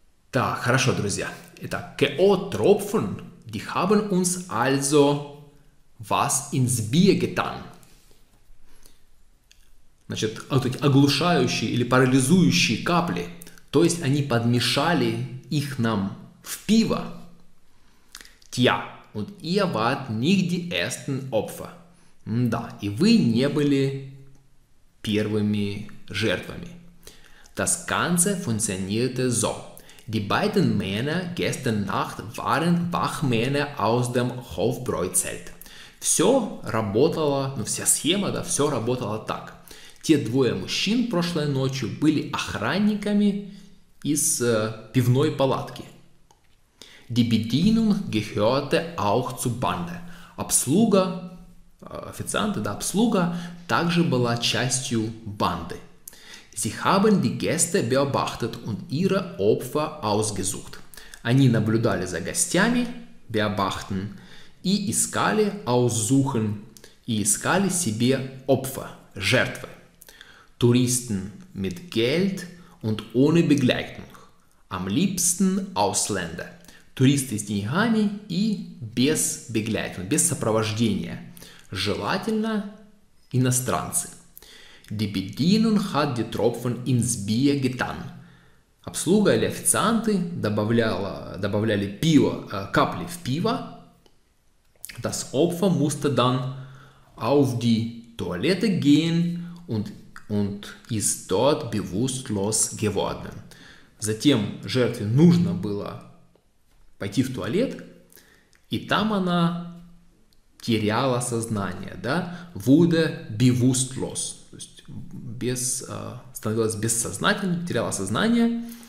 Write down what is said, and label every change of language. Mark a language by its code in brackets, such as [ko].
[ru] Так, хорошо, друзья. Итак, [de] K.O. Tropfen, die haben uns also was ins Bier getan. [ru] Значит, вот эти оглушающие или парализующие капли, то есть они подмешали их нам в пиво. [de] Tja, und ihr wart nicht die ersten Opfer. [ru] Да, и вы не были первыми жертвами. [de] Das Ganze funktionierte so. Die beiden Männer gestern Nacht waren Wachmänner aus dem Hofbräuzelt. [ru] Все работало, ну вся схема, да, все работало так. Те двое мужчин прошлой ночью были охранниками из пивной палатки. [de] Die Bedienung gehörte auch zur Bande. [ru] Обслуга, официанты, да, обслуга также была частью банды. [de] Sie haben die Gäste beobachtet und ihre Opfer ausgesucht. [ru] Они наблюдали за гостями, beobachten, и искали, aussuchen, и искали себе Opfer, жертвы. [de] Touristen mit Geld und ohne Begleitung. Am liebsten Ausländer. [ru] Туристы с деньгами и без Begleitung, без сопровождения. Желательно иностранцы. [de] Die Bedienung hat die Tropfen ins Bier getan. [ru] Обслуга или официанты добавляли пиво, капли в пиво. [de] Das Opfer musste dann auf die Toilette gehen und ist dort bewusstlos geworden. [ru] Затем жертве нужно было пойти в туалет, и там она теряла сознание, да? [de] Wurde bewusstlos. [ru] То есть становилась бессознательной, теряла сознание.